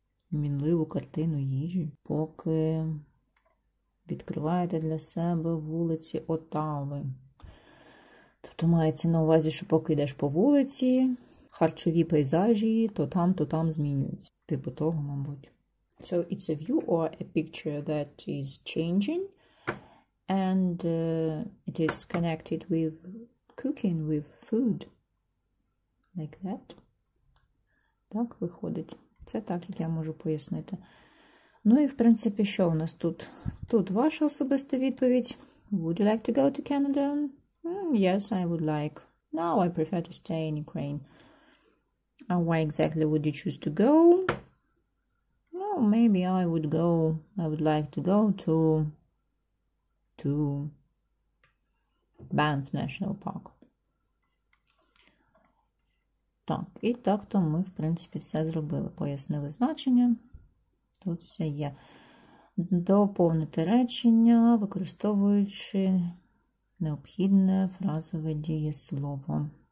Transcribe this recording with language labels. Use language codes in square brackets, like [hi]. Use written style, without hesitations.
[uk] Мінливу картину їжі. Поки відкриваєте для себе вулиці Отави. Тобто мається на увазі, що поки йдеш по вулиці, харчові пейзажі, то там змінюються. Типу того, мабуть. [en] So it's a view or a picture that is changing and it is connected with cooking, with food, like that. [uk] Так виходить. Це так, як я можу пояснити. Ну і в принципі, що у нас тут? Тут ваша особиста відповідь. [en] Would you like to go to Canada? Yes, I would like. No, I prefer to stay in Ukraine. And why exactly would you choose to go? Maybe I would go, I would like to go to Banff National Park. [uk] Так, і так-то ми, в принципі, все зробили. Пояснили значення. Тут все є. Доповнити речення, використовуючи необхідне фразове дієслово.